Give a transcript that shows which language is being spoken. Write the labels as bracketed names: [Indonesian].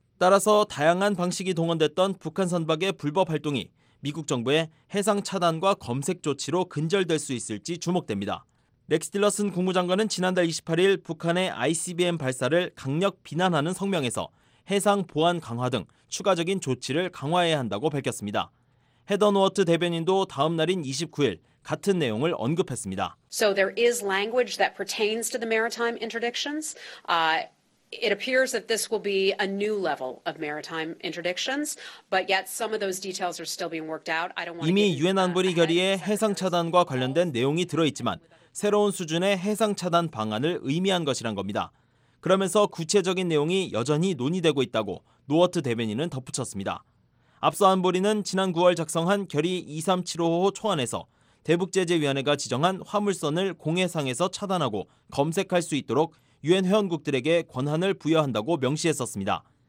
[Korean] 따라서 다양한 방식이 동원됐던 북한 선박의 불법 활동이 미국 정부의 해상 차단과 검색 조치로 근절될 수 있을지 주목됩니다. 렉스 딜러슨 국무장관은 지난달 28일 북한의 ICBM 발사를 강력 비난하는 성명에서 해상 보안 강화 등 추가적인 조치를 강화해야 한다고 밝혔습니다. 헤더 노어트 대변인도 다음 날인 29일 같은 내용을 언급했습니다. [English] So there is language that pertains to the maritime interdictions. It appears that this will be a new level of maritime interdictions, but yet some of those details are still being worked out. I don't want to. [Korean] 이미 유엔 안보리 결의에 해상 차단과 관련된 내용이 들어 있지만 새로운 수준의 해상 차단 방안을 의미한 것이란 겁니다. 그러면서 구체적인 내용이 여전히 논의되고 있다고 노어트 대변인은 덧붙였습니다. 앞서 안보리는 지난 9월 작성한 결의 2375호 초안에서 대북제재위원회가 지정한 화물선을 공해상에서 차단하고 검색할 수 있도록 유엔 회원국들에게 권한을 부여한다고 명시했었습니다.